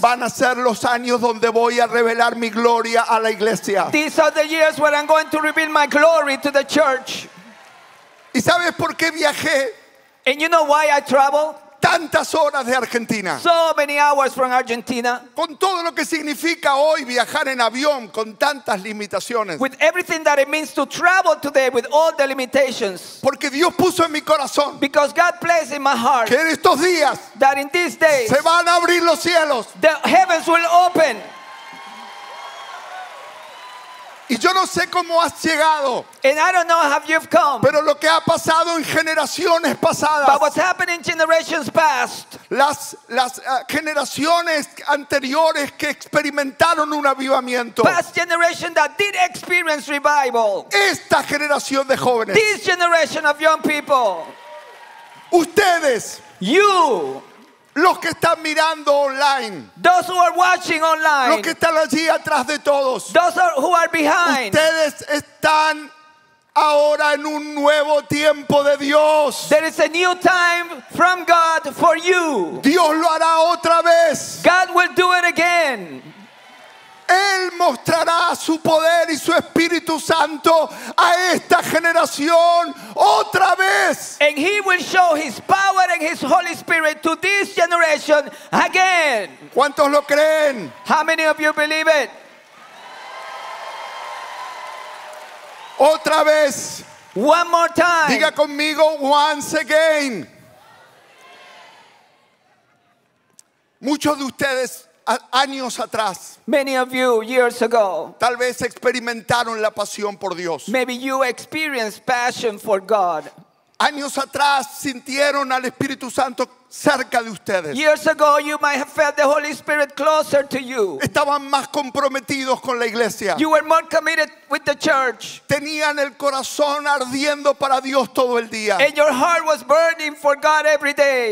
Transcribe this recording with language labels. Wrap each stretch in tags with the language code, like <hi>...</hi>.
<es>van a ser los años donde voy a revelar mi gloria a la iglesia.</es> <en>These are the years where I'm going to reveal my glory to the church.</en> <es>¿Y sabes por qué viajé?</es> <en>And you know why I travel?</en> <es>Tantas horas de Argentina.</es> <en>So many hours from Argentina.</en> <es>Con todo lo que significa hoy viajar en avión con tantas limitaciones.</es> <en>With everything that it means to travel today with all the limitations.</en> <es>Porque Dios puso en mi corazón.</es> <en>Because God placed in my heart.</en> <es>Que en estos días.</es> <en>That in these days.</en> <es>Se van a abrir los cielos.</es> <en>The heavens will open.</en> <es>Y yo no sé cómo has llegado.</es> <en>And I don't know how you've come.</en> <es>Pero lo que ha pasado en generaciones pasadas.</es> <en>But what's happened in generations past.</en> <es>Las generaciones anteriores que experimentaron un avivamiento.</es> <en>Past generation that did experience revival.</en> <es>Esta generación de jóvenes.</es> <en>This generation of young people.</en> <es>Ustedes.</es> <en>You.</en> <es>Los que están mirando online.</es> <en>Those who are watching online.</en> <es>Los que están allí atrás de todos.</es> <en>Those who are behind.</en> <es>Ustedes están ahora en un nuevo tiempo de Dios.</es> <en>There is a new time from God for you.</en> <es>Dios lo hará otra vez.</es> <en>God will do it again.</en> <es>Él mostrará su poder y su Espíritu Santo a esta generación otra vez.</es> <en>And he will show his power and his Holy Spirit to this generation again.</en> <es>¿Cuántos lo creen?</es> <en>How many of you believe it?</en> <es>Otra vez.</es> <en>One more time.</en> <es>Diga conmigo,</es> <en>once again.</en> <es>Muchos de ustedes años atrás,</es> <en>many of you years ago,</en> <es>tal vez experimentaron la pasión por Dios.</es> <en>Maybe you experienced passion for God.</en> <es>Años atrás sintieron al Espíritu Santo cerca de ustedes.</es> <en>Years ago, you might have felt the Holy Spirit closer to you.</en> <es>Estaban más comprometidos con la iglesia.</es> <en>You were more committed with the church.</en> <es>Tenían el corazón ardiendo para Dios todo el día.</es> <en>And your heart was burning for God every day.</en>